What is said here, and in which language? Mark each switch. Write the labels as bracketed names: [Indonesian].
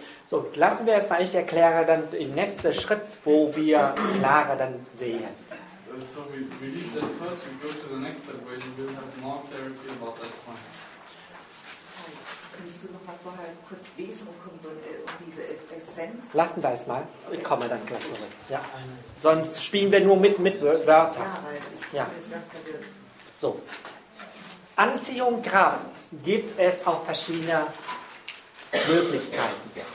[German] So, lassen wir erstmal, ich erkläre dann im nächsten Schritt, wo wir klarer dann sehen. [English] So we leave that first, we go to the next step where you will have more clarity about that point. [German] Könntest du noch mal vorher kurz Wesen und diese Essenz? Lassen wir es mal. Ich komme dann gleich zurück. Ja. Sonst spielen wir nur mit Wörtern. Ja, weil ich bin jetzt ganz verwirrt. So. Anziehung, Kraft gibt es auch verschiedene Möglichkeiten.